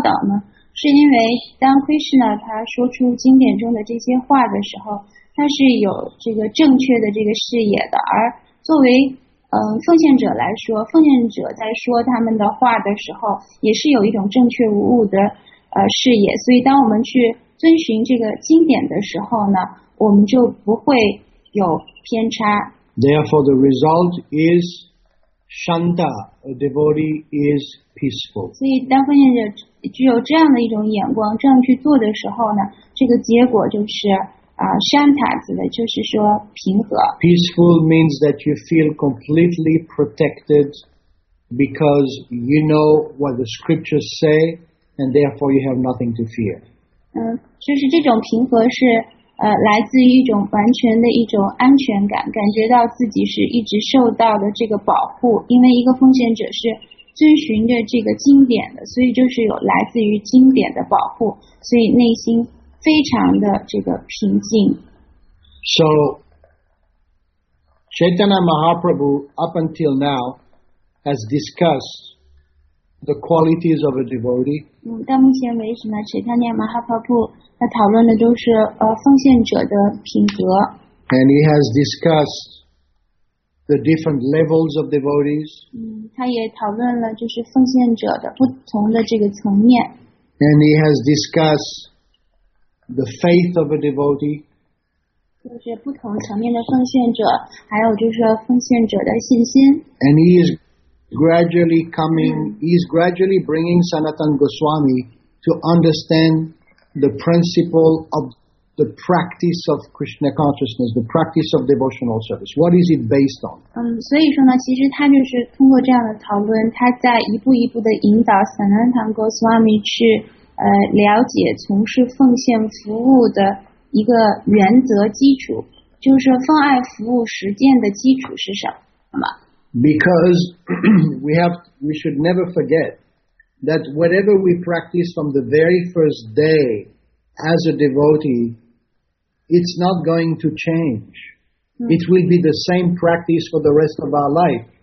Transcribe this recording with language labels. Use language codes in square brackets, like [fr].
[zh] 那为什么我们作为这个奉献者要去遵循经典的教导呢？是因为当 Krishna 他说出经典中的这些话的时候，他是有这个正确的这个视野的，而作为 奉献者来说，奉献者在说他们的话的时候，也是有一种正确无误的视野。所以，当我们去遵循这个经典的时候呢，我们就不会有偏差。 Therefore, [en] the result is shanta. A devotee is peaceful. [zh] 所以，当奉献者具有这样的一种眼光，这样去做的时候呢，这个结果就是。 Shanta指的就是说平和。 Peaceful [en] means that you feel completely protected because you know what the scriptures say and therefore you have nothing to fear. [zh] 就是这种平和是来自于一种完全的一种安全感，感觉到自己是一直受到的这个保护，因为一个奉献者是遵循着这个经典的，所以就是有来自于经典的保护，所以内心非常的这个平静。 [en] So, Chaitanya Mahaprabhu up until now has discussed the qualities of a devotee. [zh] 到目前为止呢，Chaitanya Mahaprabhu他讨论的都是奉献者的品格。 [en] And he has discussed the different levels of devotees. [zh] 他也讨论了就是奉献者的不同的这个层面。 [en] And he has discussed the faith of a devotee. [zh] 就是不同层面的奉献者，还有就是奉献者的信心。 [en] And he is gradually coming, he is gradually bringing Sanatana Goswami to understand the principle of the practice of Krishna consciousness, the practice of devotional service. What is it based on? [zh] 所以说呢，其实他就是通过这样的讨论，他在一步一步的引导 Sanatana Goswami 去了解从事奉献服务的。一个原则基础，就是奉爱服务实践的基础是什么？ [en] Because we should never forget that whatever we practice from the very first day as a devotee, it's not going to change. It will be the same practice for the rest of our life.